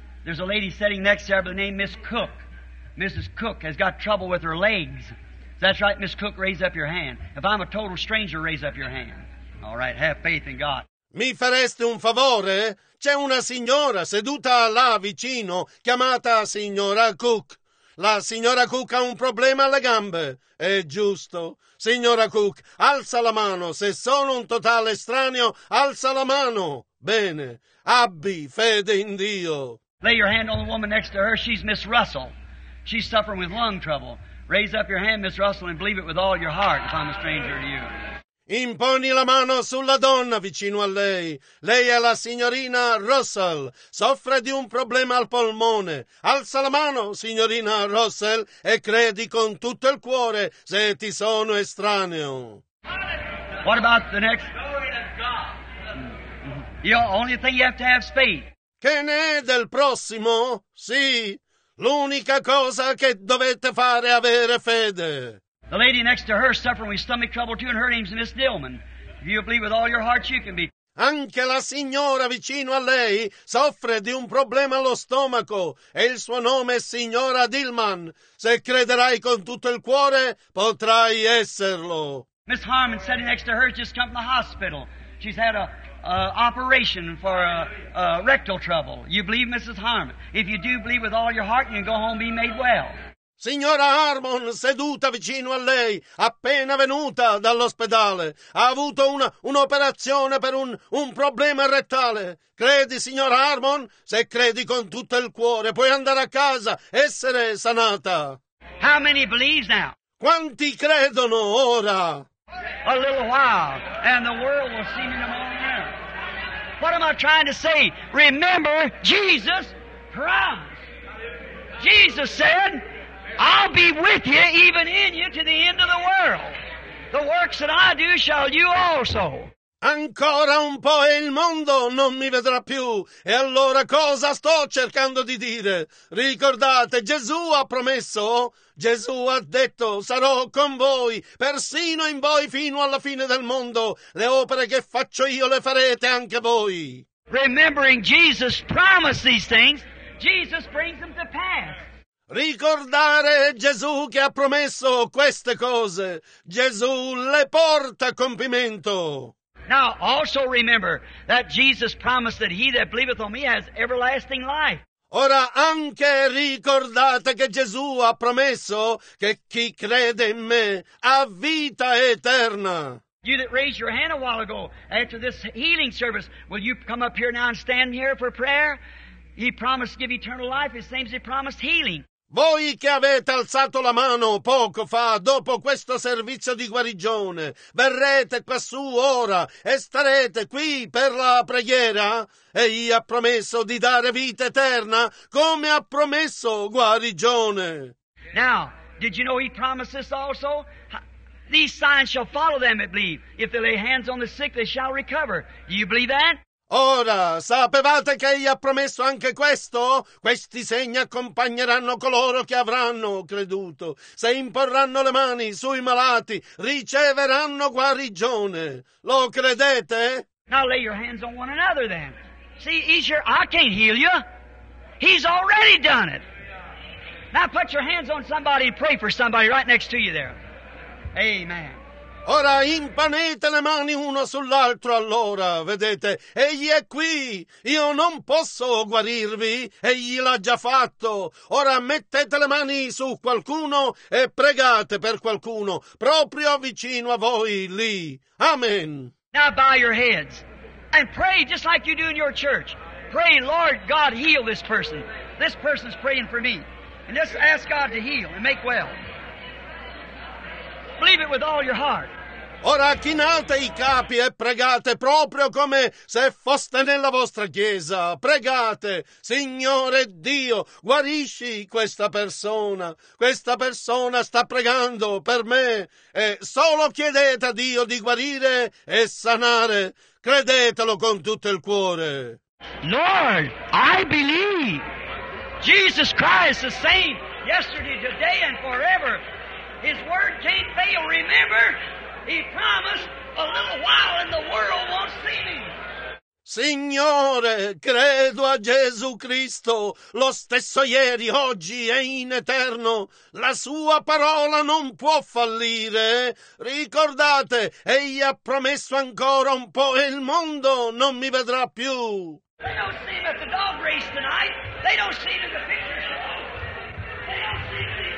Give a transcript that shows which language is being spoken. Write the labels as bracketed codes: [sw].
[en] There's a lady sitting next to her by the name Miss Cook. Mrs. Cook has got trouble with her legs. If that's right, Miss Cook, raise up your hand. If I'm a total stranger, raise up your hand. All right, have faith in God. [it] Mi fareste un favore? C'è una signora seduta là vicino, chiamata signora Cook. La signora Cook ha un problema alle gambe. È giusto. Signora Cook, alza la mano. Se sono un totale estraneo, alza la mano. Bene. Abbi fede in Dio. [en] Lay your hand on the woman next to her. She's Miss Russell. She's suffering with lung trouble. Raise up your hand, Miss Russell, and believe it with all your heart if I'm a stranger to you. [it] Imponi la mano sulla donna vicino a lei. Lei è la signorina Russell. Soffre di un problema al polmone. Alza la mano, signorina Russell, e credi con tutto il cuore se ti sono estraneo. [en] What about the next? The only thing you have to have faith. [it] Che ne è del prossimo? Sì. L'unica cosa che dovete fare è avere fede. [en] The lady next to her suffering with stomach trouble too, and her name's Miss Dillman. If you believe with all your heart, you can be. [it] Anche la signora vicino a lei soffre di un problema allo stomaco, e il suo nome è signora Dillman. Se crederai con tutto il cuore, potrai esserlo. [en] Miss Harmon sitting next to her just come from the hospital. She's had a operation for a rectal trouble. You believe, Mrs. Harmon? If you do believe with all your heart, you can go home and be made well. [it] Signora Harmon, seduta vicino a lei, appena venuta dall'ospedale, ha avuto un'operazione per un problema rettale. Credi, signora Harmon? Se credi con tutto il cuore, puoi andare a casa, essere sanata. [en] How many believes now? [it] Quanti credono ora? [en] A little while, and the world will see me no more now. What am I trying to say? Remember, Jesus promised. Jesus said, I'll be with you, even in you, to the end of the world. The works that I do shall you also. [it] Ancora un po' e il mondo non mi vedrà più. E allora cosa sto cercando di dire? Ricordate, Gesù ha promesso? Gesù ha detto, sarò con voi, persino in voi fino alla fine del mondo. Le opere che faccio io le farete anche voi. [en] Remembering Jesus promised these things, Jesus brings them to pass. [it] Ricordare Gesù che ha promesso queste cose, Gesù le porta a compimento. [en] Now also remember that Jesus promised that he that believeth on me has everlasting life. [it] Ora anche ricordate che Gesù ha promesso che chi crede in me ha vita eterna. [en] You that raised your hand a while ago after this healing service, will you come up here now and stand here for prayer? He promised to give eternal life, the same as he promised healing. [it] Voi che avete alzato la mano poco fa, dopo questo servizio di guarigione, verrete quassù ora e starete qui per la preghiera? Egli ha promesso di dare vita eterna, come ha promesso guarigione. [en] Now, did you know he promised this also? These signs shall follow them, I believe. If they lay hands on the sick, they shall recover. Do you believe that? [it] Ora, sapevate che egli ha promesso anche questo? Questi segni accompagneranno coloro che avranno creduto. Se imporranno le mani sui malati, riceveranno guarigione. Lo credete? [en] Now lay your hands on one another then. See, Easter, I can't heal you. He's already done it. Now put your hands on somebody and pray for somebody right next to you there. Amen. [it] Ora imponete le mani uno sull'altro, allora, vedete, egli è qui, io non posso guarirvi, egli l'ha già fatto. Ora mettete le mani su qualcuno e pregate per qualcuno, proprio vicino a voi, lì. Amen. [en] Now bow your heads and pray just like you do in your church. Pray, Lord God, heal this person. This person's praying for me. And just ask God to heal and make well. Believe it with all your heart. [it] Ora chinate i capi e pregate proprio come se foste nella vostra chiesa. Pregate, Signore Dio, guarisci questa persona. Questa persona sta pregando per me. E solo chiedete a Dio di guarire e sanare. Credetelo con tutto il cuore. [en] Lord, I believe. Jesus Christ the same yesterday, today and forever. His word can't fail. Remember, he promised a little while and the world won't see me. [it] Signore, credo a Gesù Cristo, lo stesso ieri, oggi e in eterno. La sua parola non può fallire. Ricordate, egli ha promesso ancora un po' e il mondo non mi vedrà più. [en] They don't see him at the dog race tonight. They don't see him at the picture show. They don't see him.